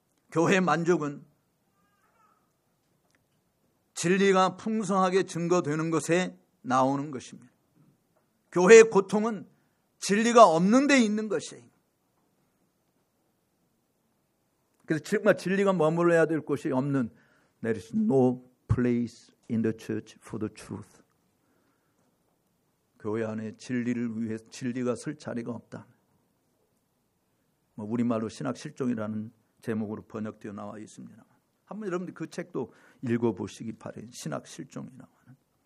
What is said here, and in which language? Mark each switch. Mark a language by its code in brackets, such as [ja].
[ko] 교회 만족은 진리가 풍성하게 증거되는 것에 나오는 것입니다. 교회의 고통은 진리가 없는 데 있는 것이에요. 그래서 정말 진리가 머물러야 될 곳이 없는 [en] There is no place in the church for the truth. [ko] 교회 안에 진리를 위해 진리가 설 자리가 없다. 뭐 우리말로 신학 실종이라는 제목으로 번역되어 나와 있습니다. 한번 여러분들 그 책도 읽어보시기 바래요. 신학 실종이라고 하는.